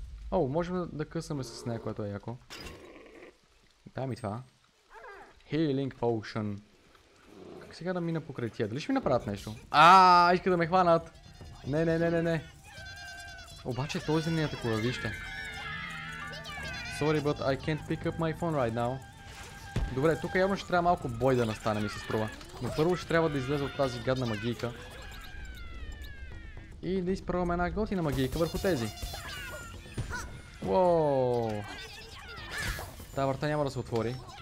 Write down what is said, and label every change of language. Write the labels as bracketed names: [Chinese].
[Bulgarian] О, можем да късаме с нея, което е яко. Дай ми това. Healing potion. Как сега да мина покрай тия? Дали ще ми направят нещо? Иска да ме хванат. Не. Обаче този не е такова, вижте. [English] Sorry, but I can't pick up my phone right now. [Bulgarian] Добре, тук явно ще трябва малко бой да настане, ми се струва. Но първо ще трябва да излезе от тази гадна магийка. И да изправяме една готина магийка върху тези. Уоооо. Та врата няма да се отвори.